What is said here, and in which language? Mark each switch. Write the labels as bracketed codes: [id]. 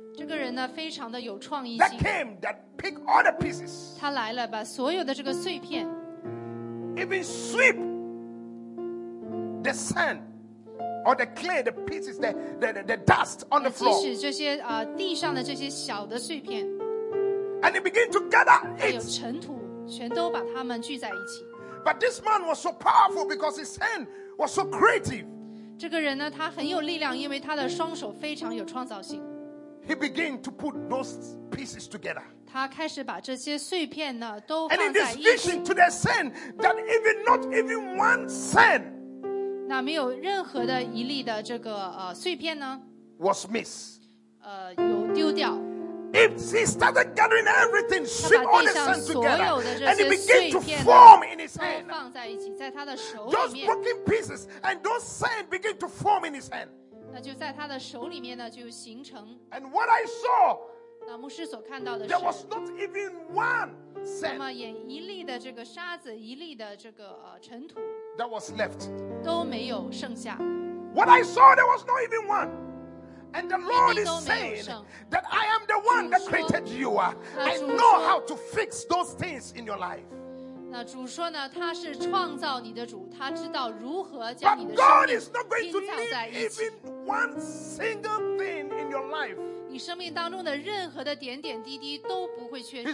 [zh] 这个人呢，非常的有创意性。 [en] That came, that pick all the pieces. [zh] 他来了，把所有的这个碎片 [en] even sweep the sand. Or the clay, the pieces, the dust on the floor. [zh] 即使这些地上的这些小的碎片 [en] And he began to gather it. [zh] 还有尘土，全都把它们聚在一起。 [en] But this man was so powerful because his hand was so creative. [zh] 这个人呢，他很有力量，因为他的双手非常有创造性。 [en] He began to put those pieces together. [zh] 他开始把这些碎片呢，都放在一起。 [en] And in this vision to their sand, that even not even one sand. [zh] 那没有任何的一粒的这个碎片呢 [en] ？Was missed. [zh] 有丢掉。 [en] If he started gathering everything, shook all his hands together, and he began to form in his hand, [zh] 放在一起，在他的手里面。 [en] Those broken pieces and those sand began to form in his hand. [zh] 那就在他的手里面呢，就形成。 [en] And what I saw, [zh] 那牧师所看到的是 [en] ，there was not even one sand. [zh] 那么眼一粒的这个沙子，一粒的这个尘土 [en] ，that was left. [zh] 都没有剩下。 [en] What I saw, there was not even one. And the Lord is saying that I am the one that created you. I know how to fix those things in your life. [zh] 那主说呢，他是创造你的主，他知道如何将你的生命拼凑在一起。 [en] But God is not going to leave even one single thing in your life. [zh] 你生命当中的任何的点点滴滴都不会缺失。